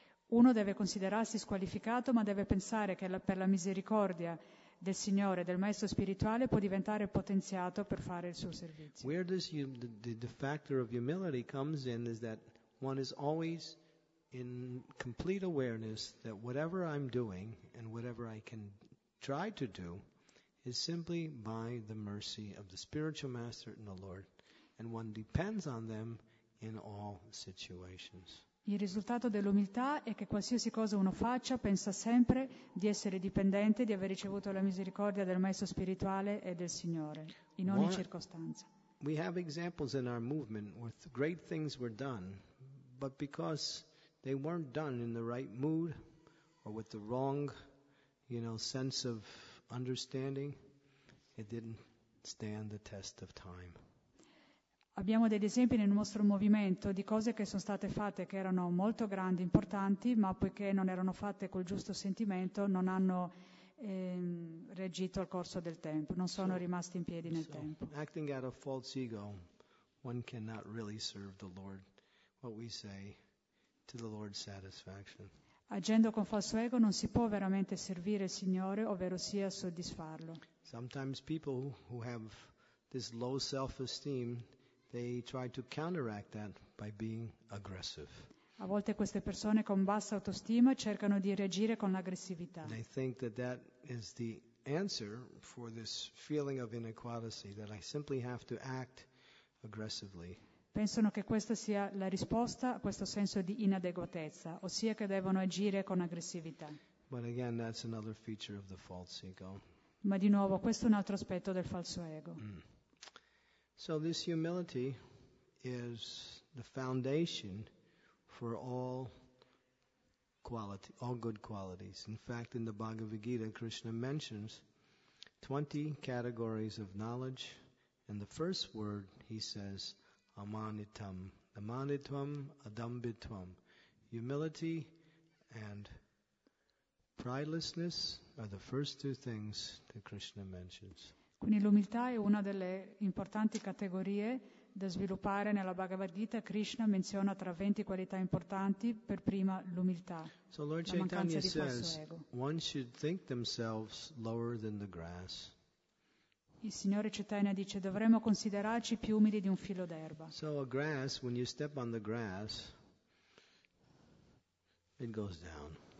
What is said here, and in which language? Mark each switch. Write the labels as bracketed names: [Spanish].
[Italian] Uno deve considerarsi squalificato, ma deve pensare che per la misericordia del Signore, del Maestro spirituale, può diventare potenziato per fare il suo servizio. [English] Where does the factor of humility comes in is that one is always in complete awareness that whatever I'm doing and whatever I can try to do is simply by the mercy of the spiritual master and the Lord, and one depends on them in all situations. [Italian] Il risultato dell'umiltà è che qualsiasi cosa uno faccia pensa sempre di essere dipendente, di aver ricevuto la misericordia del Maestro spirituale e del Signore in ogni circostanza. [English] We have examples in our movement where great things were done, but because they weren't done in the right mood or with the wrong, you know, sense of understanding, it didn't stand the test of time. [Italian] Abbiamo degli esempi nel nostro movimento di cose che sono state fatte che erano molto grandi, importanti, ma poiché non erano fatte col giusto sentimento, non hanno reagito al corso del tempo, non sono rimasti in piedi nel tempo. [English] Acting out of false ego, one cannot really serve the Lord, what we say, to the Lord's satisfaction. [Italian] Agendo con falso ego non si può veramente servire il Signore, ovvero sia soddisfarlo. [English] Sometimes people who have this low self-esteem, they try to counteract that by being aggressive. [Italian] A volte queste persone con bassa autostima cercano di reagire con l'aggressività. [English] They think that that is the answer for this feeling of inequality, that I simply have to act aggressively. [Italian] Pensano che questa sia la risposta a questo senso di inadeguatezza, ossia che devono agire con aggressività. [English] But again, that's another feature of the false ego. [Italian] Ma di nuovo, questo è un altro aspetto del falso ego. [English] So this humility is the foundation for all good qualities. In fact, in the Bhagavad Gita, Krishna mentions 20 categories of knowledge. And the first word, he says, amanitam. [Sanskrit] Amanitam, adambitam. [English] Humility and pridelessness are the first two things that Krishna mentions. [Italian] Quindi l'umiltà è una delle importanti categorie da sviluppare nella Bhagavad Gita. Krishna menziona tra 20 qualità importanti, per prima l'umiltà, [English] so Lord [Italian] la mancanza [English] Chaitanya [Italian] di falso [English] says, [Italian] ego. [English] One should think themselves lower than the grass. [Italian] Il Signore Chaitanya dice, dovremmo considerarci più umili di un filo d'erba. [English] So a grass, when you step on the grass, it goes down.